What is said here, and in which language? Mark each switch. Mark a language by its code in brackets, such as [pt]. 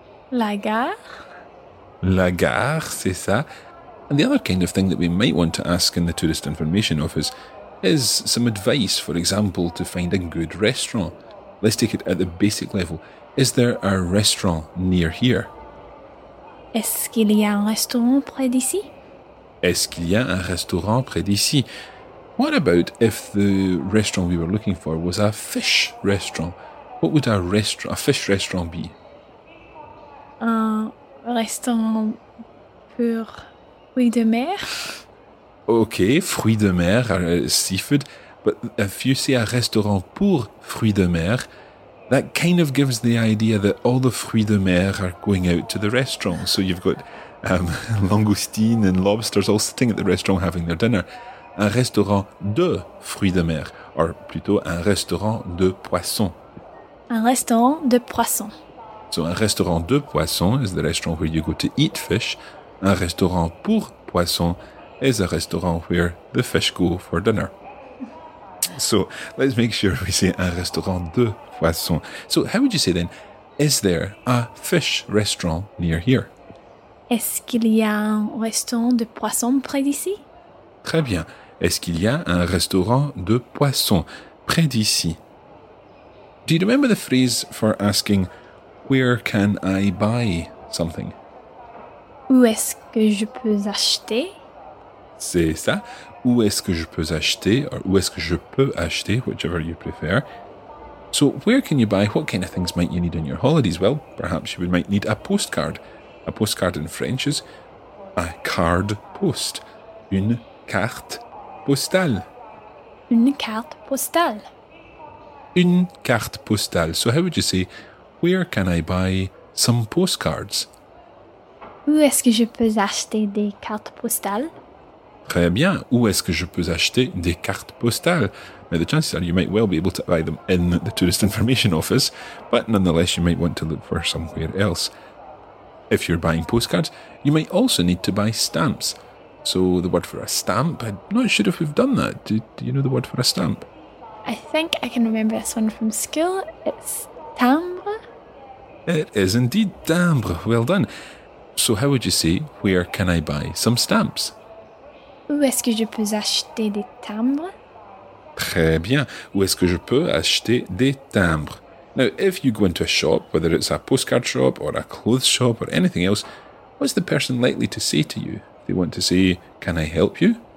[fr] La gare. La gare, c'est ça. [en] And the other kind of thing that we might want to ask in the tourist information office is some advice, for example, to find a good restaurant. Let's take it at the basic level. Is there a restaurant near here? [fr] Est-ce qu'il y a un restaurant près d'ici? Est-ce qu'il y a un restaurant près d'ici? [en] What about if the restaurant we were looking for was a fish restaurant? What would a fish restaurant be? [fr] Un restaurant pur fruits de mer. [en] Okay, fruits de mer, seafood. But if you say a [fr] restaurant pour fruits de mer, [en] that kind of gives the idea that all the fruits de mer are going out to the restaurant. So you've got langoustine and lobsters all sitting at the restaurant having their dinner. [fr] Un restaurant de fruits de mer, or plutôt un restaurant de poisson. Un restaurant de poisson. [en] So, [fr] un restaurant de poisson [en] is the restaurant where you go to eat fish. [fr] Un restaurant pour poisson [en] is a restaurant where the fish go for dinner. So, let's make sure we say [fr] un restaurant de poisson. [en] So, how would you say then, is there a fish restaurant near here? [fr] Est-ce qu'il y a un restaurant de poisson près d'ici? Très bien. Est-ce qu'il y a un restaurant de poisson près d'ici? [en] Do you remember the phrase for asking, where can I buy something? [fr] Où est-ce que je peux acheter? C'est ça. Où est-ce que je peux acheter? Or où est-ce que je peux acheter? [en] Whichever you prefer. So where can you buy? What kind of things might you need on your holidays? Well, perhaps you might need a postcard. A postcard in French is a carte poste. [fr] Une carte postale. Une carte postale. Une carte postale. [en] So how would you say, where can I buy some postcards? [fr] Où est-ce que je peux acheter des cartes postales? Très bien. Où est-ce que je peux acheter des cartes postales? [en] Now, the chances are you might well be able to buy them in the tourist information office, but nonetheless, you might want to look for somewhere else. If you're buying postcards, you might also need to buy stamps. So the word for a stamp, I'm not sure if we've done that. Do you know the word for a stamp? I think I can remember this one from school. It's timbre. It is indeed timbre. Well done. So how would you say, where can I buy some stamps? [fr] Où est-ce que je peux acheter des timbres? Très bien. Où est-ce que je peux acheter des timbres? [en] Now, if you go into a shop, whether it's a postcard shop or a clothes shop or anything else, what's the person likely to say to you? They want to say, can I help you?